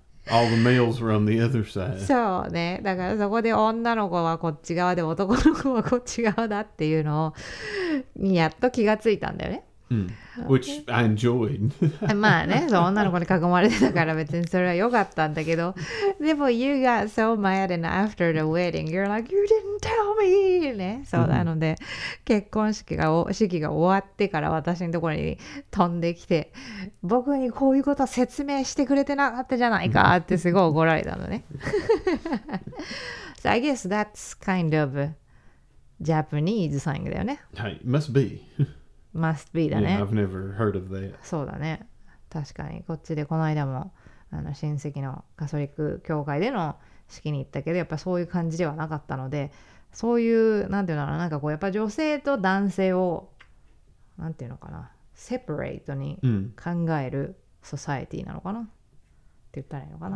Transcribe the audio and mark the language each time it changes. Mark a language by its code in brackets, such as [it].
[en] All the males were on the other side. [ja] そうね、だからそこで女の子はこっち側で男の子はこっち側だっていうのをやっと気がついたんだよね。 [en] which I enjoyed. [ja] まあね、そう、女の子に囲まれてたから別にそれは良かったんだけど、でも [en] you got so mad and after the wedding, you're like, you didn't tell me! [ja] ね、そうなので、結婚式が、式が終わってから私のところに飛んできて、僕にこういうこと説明してくれてなかったじゃないかってすごい怒られたのね。 [en] So I guess that's kind of Japanese slang [ja] だよね。はい、 [en] must be. must be [ja] だね。 [en] Yeah, I've never heard of that. [ja] そうだね。確かに、こっちでこの間もあの親戚のカソリック教会での式に行ったけど、やっぱそういう感じではなかったので、そういう、なんていうのかな、なんかこう、やっぱ女性と男性を、なんていうのかな、セパレートに考えるソサエティなのかな、うん、って言ったらいいのかな。